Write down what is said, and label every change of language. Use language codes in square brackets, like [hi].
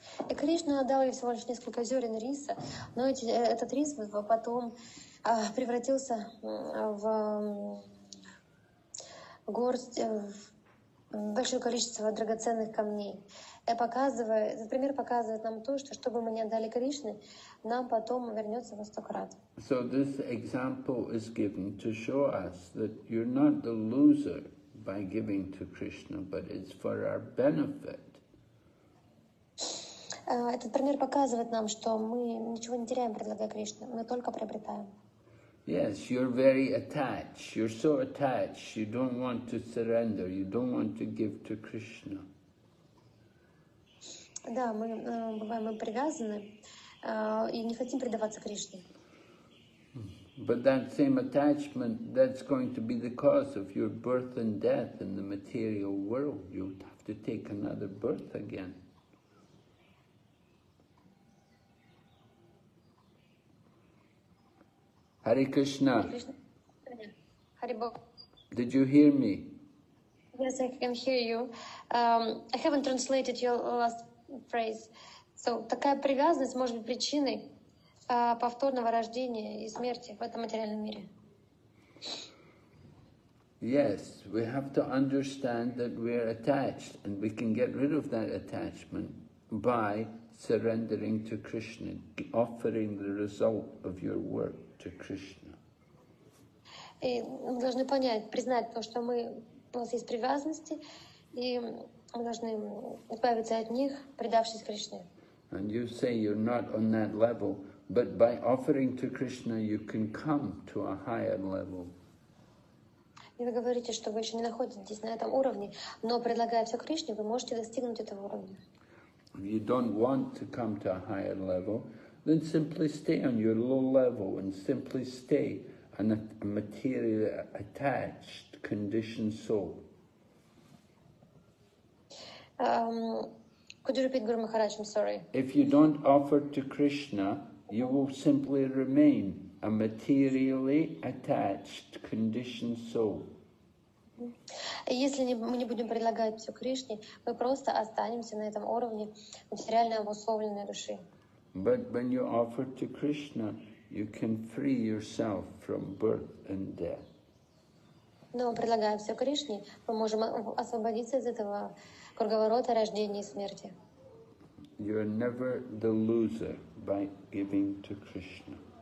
[ru] И Кришна отдал ей всего лишь несколько зерен риса, но этот рис потом превратился в горсть, в большое количество драгоценных камней. И показывает, этот пример показывает нам то, что бы мы ни отдали Кришне, нам потом вернется во сто крат. [en] So this example is given to show us that you're not the loser by giving to Krishna, but it's for our benefit. [ru] Этот пример показывает нам, что мы ничего не теряем, предлагая Кришне, мы только приобретаем. [en] Yes, you're very attached. You're so attached. You don't want to surrender. You don't want to give to Krishna. [ru] Да, мы бываем привязаны и не хотим предаваться Кришне. [en] But that same attachment, that's going to be the cause of your birth and death in the material world. You'd have to take another birth again. Hare Krishna. Hare Bog. Did you hear me? Yes, I can hear you. I haven't translated your last phrase. [ru] So, такая привязанность может быть причиной повторного рождения и смерти в этом материальном мире. [en] Yes, we have to understand that we are attached, and we can get rid of that attachment by surrendering to Krishna, offering the result of your work to Krishna. [ru] И мы должны понять, признать то, что мы у нас есть привязанности, и мы должны избавиться от них, предавшись Кришне. [en] And you say you're not on that level, but by offering to Krishna, you can come to a higher level. [ru] И вы говорите, что вы еще не находитесь на этом уровне, но предлагая все Кришне, вы можете достигнуть этого уровня. [en] If you don't want to come to a higher level, then simply stay on your low level and simply stay an a materially attached, conditioned soul. Could you repeat, Guru Maharaj? I'm sorry. If you don't offer to Krishna, you will simply remain a materially attached, conditioned soul. [ru] Если мы не будем предлагать все Кришне, мы просто останемся на этом уровне материально обусловленной души. [en] But when you offer to Krishna, you can free yourself from birth and death. [ru] Но предлагая все Кришне, мы можем освободиться из этого круговорота рождения и смерти. [en] You are never the loser by giving to Krishna.